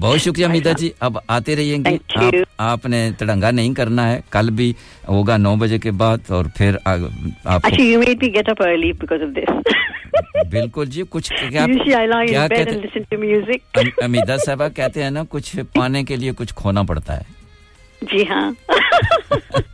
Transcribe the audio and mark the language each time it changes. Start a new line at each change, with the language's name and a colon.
Hindi: बहुत शुक्रिया मीता जी. अब आते रहेंगे.
English: Thank you.
Hindi: आपने तड़ंगा नहीं करना है. कल भी होगा 9 बजे के बाद और फिर आप.
English: Actually, you made me get up early because of this.
Hindi: बिल्कुल जी कुछ
English: क्या you see, I lie in bed and listen to music.
Hindi: मीता साहब कहते हैं ना कुछ पाने के लिए कुछ खोना पड़ता है. जी हाँ.